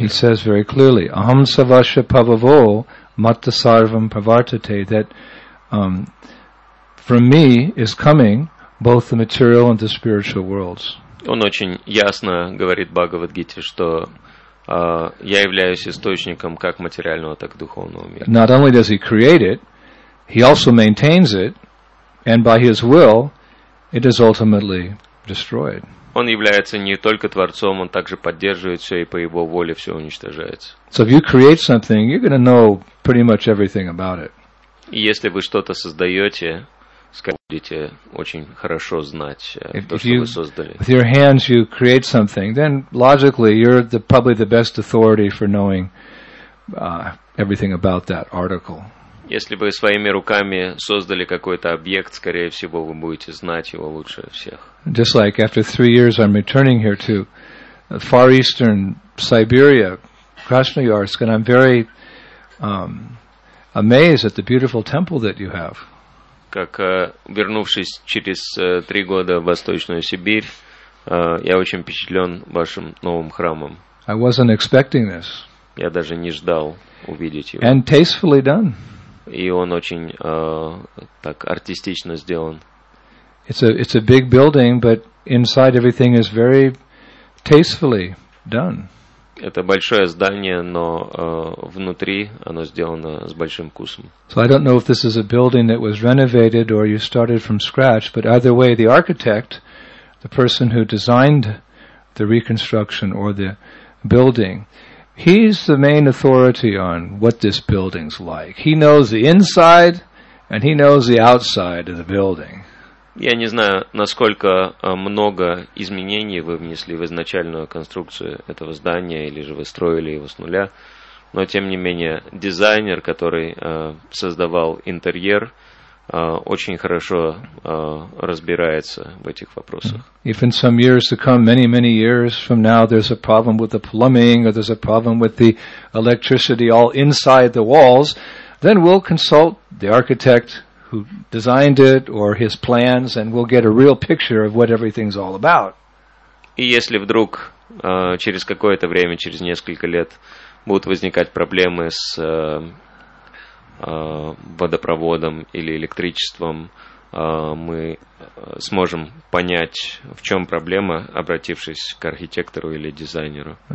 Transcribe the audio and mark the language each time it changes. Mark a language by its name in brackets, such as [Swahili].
[English] He says very clearly, [Sanskrit] Aham Savasya Pavavo Matta Sarvam Pravartate, [English] that from me is coming both the material and the spiritual worlds. [Russian] Он очень ясно говорит Бхагавад-гите, что я являюсь источником как материального, так и духовного мира. [English] Not only does he create it, he also maintains it, and by his will, it is ultimately destroyed. [Russian] Он является не только творцом, он также поддерживает все, и по его воле все уничтожается. [English] So if you create something, you're going to know pretty much everything about it. [Russian] И если вы что-то создаете, будете очень хорошо знать то, что вы создали. [English] With your hands you create something, then logically you're probably the best authority for knowing everything about that article. [Russian] Если вы своими руками создали какой-то объект, скорее всего, вы будете знать его лучше всех. [English] Just like after 3 years I'm returning here to Far Eastern Siberia, Krasnoyarsk, and I'm very amazed at the beautiful temple that you have. [Russian] Как вернувшись через 3 года в Восточную Сибирь, я очень впечатлен вашим новым храмом. [English] I wasn't expecting this. [Russian] Я даже не ждал увидеть его. [English] And tastefully done. [Russian] И он очень так артистично сделан. [English] It's a big building, but inside everything is very tastefully done. [Russian] Это большое здание, но внутри оно сделано с большим вкусом. [English] So I don't know if this is a building that was renovated or you started from scratch, but either way, the architect, the person who designed the reconstruction or the building, he's the main authority on what this building's like. He knows the inside and he knows the outside of the building. [Russian] Я не знаю, насколько много изменений вы внесли в изначальную конструкцию этого здания, или же вы строили его с нуля, но тем не менее дизайнер, который создавал интерьер, очень хорошо разбирается в этих вопросах. [English] If in some years to come, many years from now, there's a problem with the plumbing or there's a problem with the electricity all inside the walls, then we'll consult the architect who designed it or his plans, and we'll get a real picture of what everything's all about. [Russian] И если вдруг через какое-то время, через несколько лет, будут возникать проблемы с водопроводом или электричеством, мы сможем понять, в чем проблема, обратившись к архитектору или дизайнеру.